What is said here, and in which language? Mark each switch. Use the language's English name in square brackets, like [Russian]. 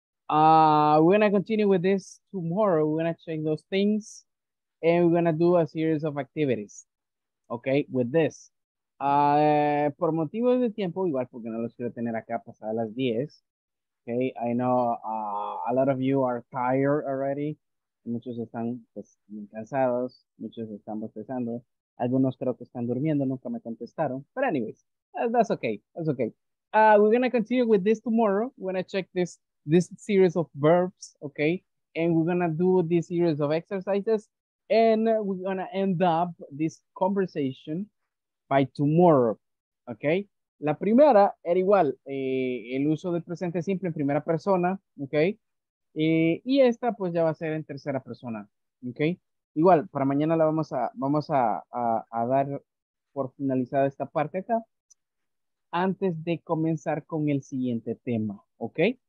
[English] We're gonna continue with this tomorrow. We're gonna check those things and we're gonna do a series of activities. Okay, with this. [Spanish] Por motivos de tiempo, igual porque no los quiero tener acá pasadas las 10. [English] Okay, I know a lot of you are tired already. [Spanish] Muchos están pues muy cansados, muchos están bostezando. Algunos creo que están durmiendo, nunca me contestaron. [English] But anyways, that's okay, that's okay. We're gonna continue with this tomorrow. We're gonna check this series of verbs, okay? And we're gonna do this series of exercises. And we're gonna end up this conversation by tomorrow, okay? [Spanish] La primera era igual, el uso del presente simple en primera persona, okay? Y esta pues ya va a ser en tercera persona, okay? Igual, para mañana la vamos a dar por finalizada esta parte acá antes de comenzar con el siguiente tema, ¿ok?